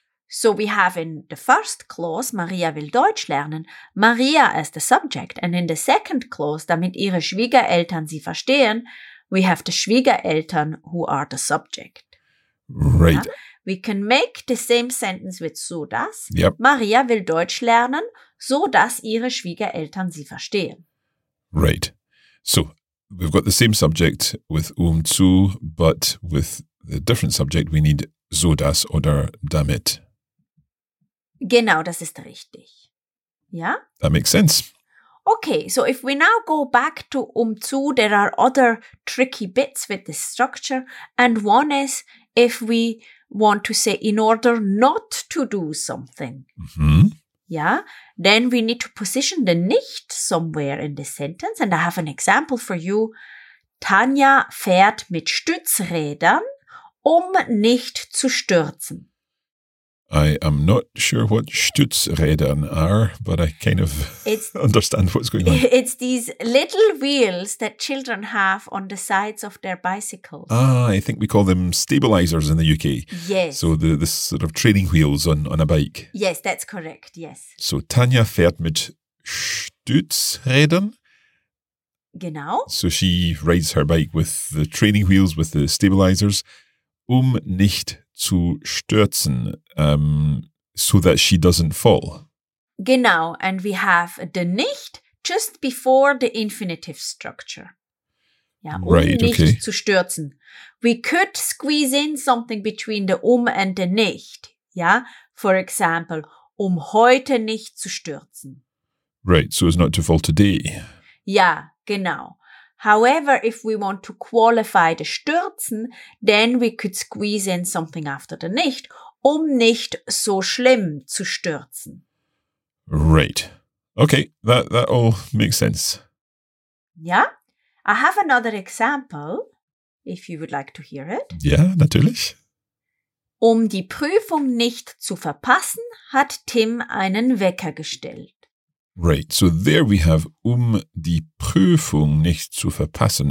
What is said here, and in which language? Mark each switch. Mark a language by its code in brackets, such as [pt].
[en] So we have in the first clause, [de] Maria will Deutsch lernen, [en] Maria as the subject. And in the second clause, [de] damit ihre Schwiegereltern sie verstehen, [en] we have the Schwiegereltern who are the subject. Right. Ja? We can make the same sentence with so dass. Yep. [de] Maria will Deutsch lernen, so dass ihre Schwiegereltern sie verstehen. [en] Right. So, we've got the same subject with zu, but with the different subject we need [de] so dass oder damit. Genau, das ist richtig. Ja? [en] That makes sense. Okay, so if we now go back to zu, there are other tricky bits with this structure. And one is if we want to say in order not to do something. Mm-hmm. Yeah, then we need to position the nicht somewhere in the sentence. And I have an example for you. [de] Tanja fährt mit Stützrädern, nicht zu stürzen. [en] I am not sure what Stützrädern are, but I kind of understand what's going on. It's these little wheels that children have on the sides of their bicycles. Ah, I think we call them stabilizers in the UK. Yes. So the sort of training wheels on a bike. Yes, that's correct. Yes. [de] So Tanja fährt mit Stützrädern. Genau. [en] So she rides her bike with the training wheels, with the stabilizers, [de] nicht zu stürzen, [en] so that she doesn't fall. Genau, and we have the nicht just before the infinitive structure. Ja, right, [de] nicht [en] okay. [de] Zu stürzen. [en] We could squeeze in something between the and the nicht. [de] Ja, [en] for example, [de] heute nicht zu stürzen. [en] Right, so as not to fall today. [de] Ja, genau. [en] However, if we want to qualify the stürzen, then we could squeeze in something after the nicht, [de] nicht so schlimm zu stürzen. [en] Right. Okay, that all makes sense. Yeah. I have another example, if you would like to hear it. Yeah, natürlich. [de] Die Prüfung nicht zu verpassen, hat Tim einen Wecker gestellt. [en] Right, so there we have [de] die Prüfung nicht zu verpassen.